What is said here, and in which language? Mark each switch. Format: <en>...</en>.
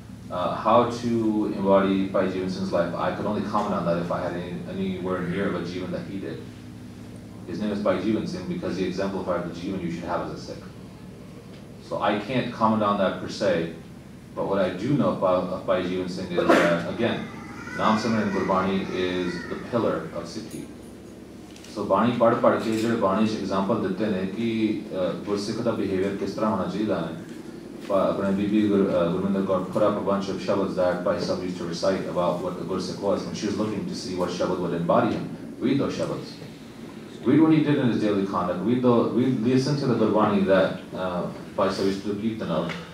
<en>How to embody Bhai Jeevan Singh's life? I could only comment on that if I had anywhere near of a Jeevan that he did. His name is Bhai Jeevan Singh because he exemplified the Jeevan you should have as a Sikh. So I can't comment on that per se, but what I do know about Bhai Jeevan Singh is that, again, Naam Simran Gurbani is the pillar of Sikhi.</en> <pa>So ਬਾਣੀ ਪੜ੍ਹ ਪੜ੍ਹ ਕੇ ਜੇਰੇ ਬਾਣੀ's example ਦਿੱਤੇ ਨੇ ਕਿ ਗੁਰਸਿੱਖ ਦਾ behavior ਕਿਸ ਤਰ੍ਹਾਂ ਹੋਣਾ ਚਾਹੀਦਾ ਹੈ.</pa> <en>Apne Bibi Gurminder Kaur put up a bunch of shabads that Bhai Sahib used to recite about what the Gursikh was, and she was looking to see what shabad would embody him. Read those shabads. Read what he did in his daily conduct. Listen to the Gurbani that Bhai Sahib used to keep the note.</en>